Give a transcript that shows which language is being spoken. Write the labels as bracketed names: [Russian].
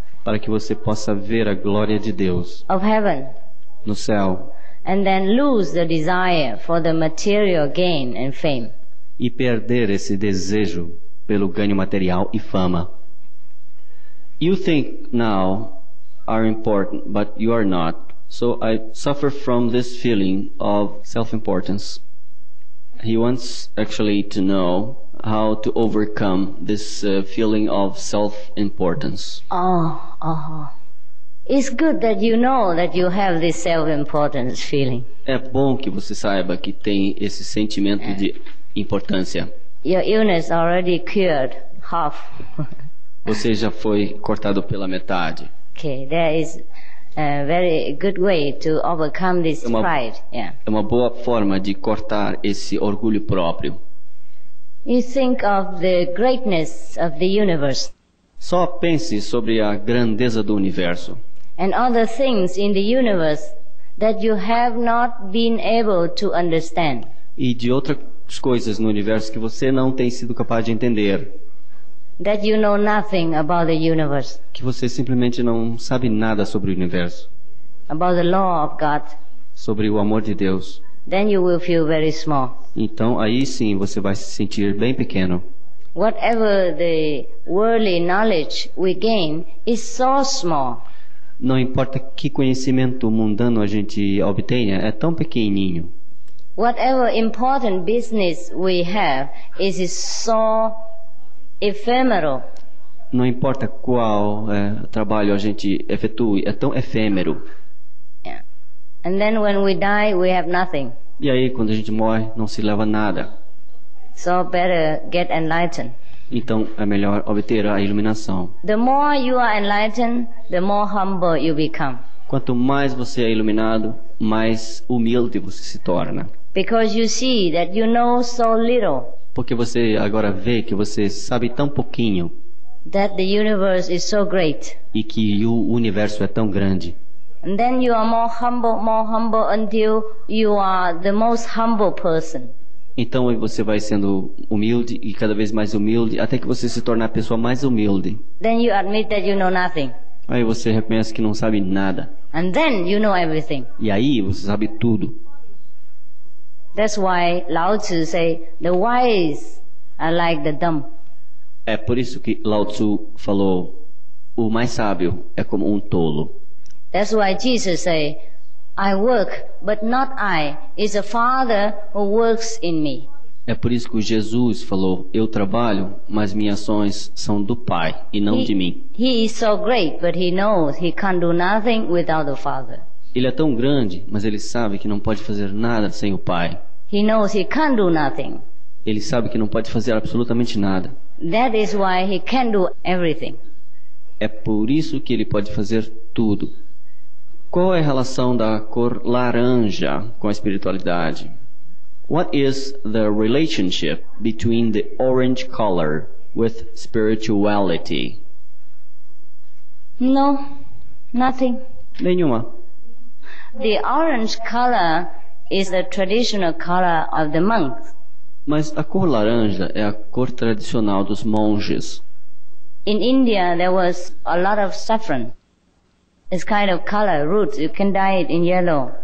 [Portuguese] Para que você possa ver a glória de Deus. [English] Of heaven. [Portuguese] No céu. [English] And then lose the desire for the material gain and fame. [Portuguese] E perder esse desejo pelo ganho material e fama. [English] You think now are important, but you are not. So I suffer from this feeling of self-importance. He wants actually to know how to overcome this feeling of self-importance. Oh. It's good that you know that you have this self-importance feeling. [Portuguese] É bom que você saiba que tem esse sentimento de importância. [English] Your illness already cured half. [Portuguese] Você já foi cortado pela metade. [English] Okay, there is a very good way to overcome this pride. Yeah. [Portuguese] É uma boa forma de cortar esse orgulho próprio. [English] You think of the greatness of the universe. [Portuguese] Só pense sobre a grandeza do universo. [English] And all the things in the universe that you have not been able to understand. [Portuguese] E de outras coisas no universo que você não tem sido capaz de entender. [English] That you know nothing about the universe. [Portuguese] Que você simplesmente não sabe nada sobre o universo. [English] About the law of God. [Portuguese] Sobre o amor de Deus. [English] Then you will feel very small. [Portuguese] Então aí sim você vai se sentir bem pequeno. [English] Whatever the worldly knowledge we gain is so small. [Portuguese] Não importa que conhecimento mundano a gente obtenha, é tão pequenininho. [English] Whatever important business we have is so ephemeral. [Portuguese] Não importa qual trabalho a gente efetue, é tão efêmero. [English] Yeah. And then when we die, we have nothing. [Portuguese] E aí quando a gente morre, não se leva nada. [English] So better get enlightened. [Portuguese] Então é melhor obter a iluminação. [English] The more you are enlightened, the more humble you become. [Portuguese] Quanto mais você é iluminado, mais humilde você se torna. [English] Because you see that you know so little. [Portuguese] Porque você agora vê que você sabe tão pouquinho. [English] That the universe is so great. [Portuguese] E que o universo é tão grande. [English] And then you are more humble until you are the most humble person. [Portuguese] Então você vai sendo humilde e cada vez mais humilde até que você se torne a pessoa mais humilde. [English] Then you admit that you know nothing. [Portuguese] Aí você reconhece que não sabe nada. [English] And then you know everything. [Portuguese] E aí você sabe tudo. [English] That's why Lao Tzu say the wise are like the dumb. [Portuguese] É por isso que Lao Tzu falou o mais sábio é como um tolo. [English] That's why Jesus say I work, but not I. It's a Father who works in me. [Portuguese] É por isso que Jesus falou, eu trabalho, mas minhas ações são do Pai e não de mim. [English] He is so great, but he knows he can't do nothing without the Father. [Portuguese] Ele é tão grande, mas ele sabe que não pode fazer nada sem o Pai. [English] He knows he can't do nothing. [Portuguese] Ele sabe que não pode fazer absolutamente nada. [English] That is why he can do everything. [Portuguese] É por isso que ele pode fazer tudo. Qual é a relação da cor laranja com a espiritualidade? [English] What is the relationship between the orange color with spirituality? No, nothing. [Portuguese] Nenhuma. [English] The orange color is the traditional color of the monks. [Portuguese] Mas a cor laranja é a cor tradicional dos monges. [English] In India there was a lot of saffron. It's kind of color root, you can dye it in yellow.